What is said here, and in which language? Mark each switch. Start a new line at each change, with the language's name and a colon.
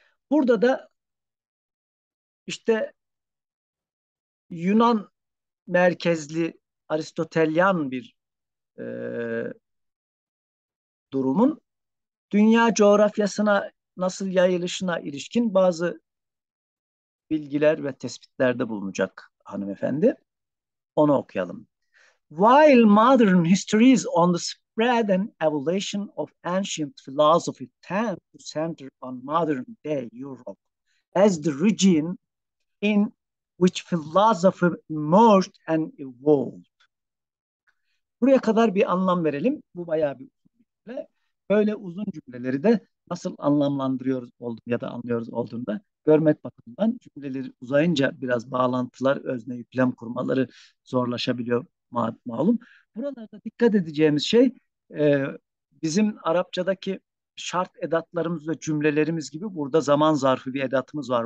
Turkish: Burada da işte Yunan merkezli Aristotelyan bir durumun dünya coğrafyasına nasıl yayılışına ilişkin bazı bilgiler ve tespitlerde bulunacak hanımefendi. Onu okuyalım.
English: While modern histories on the spread and evolution of ancient philosophy tend to center on modern day Europe as the region in which philosophy emerged and evolved.
Turkish: Buraya kadar bir anlam verelim. Bu bayağı bir cümle. Böyle uzun cümleleri de nasıl anlamlandırıyoruz oldum ya da anlıyoruz olduğunu da görmek bakımından cümleleri uzayınca biraz bağlantılar, özne yüklem kurmaları zorlaşabiliyor malum. Buralarda dikkat edeceğimiz şey bizim Arapçadaki şart edatlarımız ve cümlelerimiz gibi burada zaman zarfı bir edatımız var.